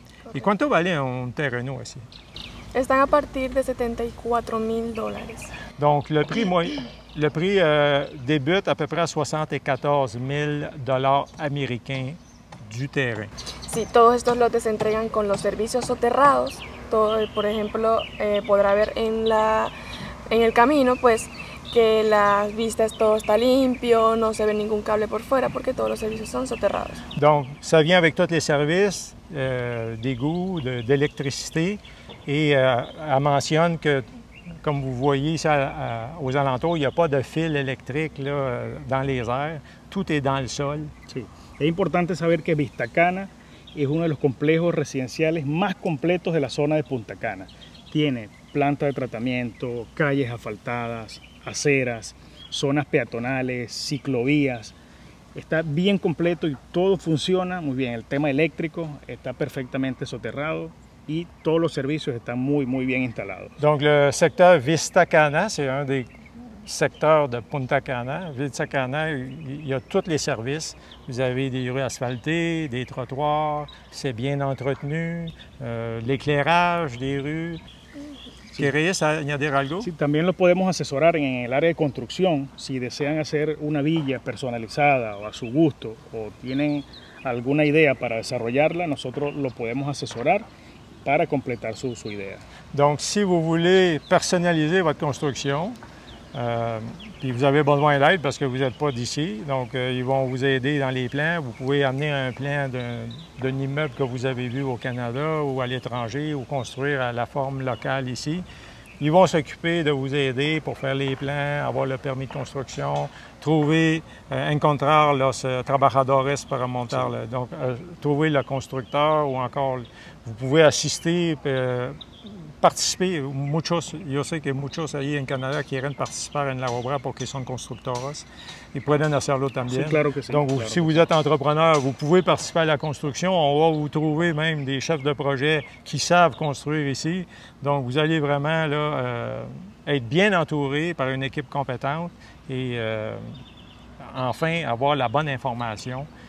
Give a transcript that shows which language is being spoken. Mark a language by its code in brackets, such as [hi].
[es] Okay. Et cuánto vale un terreno así? Están a partir de 74,000 dollars. [fr] Donc, le prix débute à peu près à 74,000 dollars américains du terrain. [es] Si, todos estos lotes se entregan con los servicios soterrados. Todo, por ejemplo, podrá ver en el camino, pues, que las vistas, todo está limpio, no se ve ningún cable por fuera, porque todos los servicios son soterrados. [fr] Donc, ça vient avec tous les services d'égout, d'électricité, et elle mentionne que, comme vous voyez ici aux alentours, il n'y a pas de fil électrique là, dans les airs, tout est dans le sol. [es] Sí. Es importante saber que Vista Cana es uno de los complejos residenciales más completos de la zona de Punta Cana. Tiene planta de tratamiento, calles asfaltadas, aceras, zonas peatonales, ciclovías. Está bien completo y todo funciona muy bien. El tema eléctrico está perfectamente soterrado y todos los servicios están muy, muy bien instalados. [fr] Donc, le secteur Vista Cana, c'est un des secteur de Punta Cana, ville de Sacana, il y a tous les services. Vous avez des rues asphaltées, des trottoirs, c'est bien entretenu, l'éclairage des rues. [es] ¿Querías añadir algo? Sí, también lo podemos asesorar en el área de construcción. Si desean hacer una villa personalizada o a su gusto o tienen alguna idea para desarrollarla, nosotros lo podemos asesorar para completar su idea. [fr] Donc, si vous voulez personnaliser votre construction, puis vous avez besoin d'aide parce que vous n'êtes pas d'ici, donc ils vont vous aider dans les plans. Vous pouvez amener un plan d'un immeuble que vous avez vu au Canada ou à l'étranger ou construire à la forme locale ici. Ils vont s'occuper de vous aider pour faire les plans, avoir le permis de construction, trouver, [es] encontrar los trabajadores para montar, [fr] donc trouver le constructeur ou encore, vous pouvez assister. [es] Participer, muchos, yo sé que muchos ahí en Canadá quieren participar en la obra porque son constructores y pueden hacerlo también. Sí, claro que sí. [fr] Donc, [es] claro [fr] si vous êtes entrepreneur, vous pouvez participer à la construction. On va vous trouver même des chefs de projet qui savent construire ici. Donc, vous allez vraiment là, être bien entouré par une équipe compétente et enfin avoir la bonne information.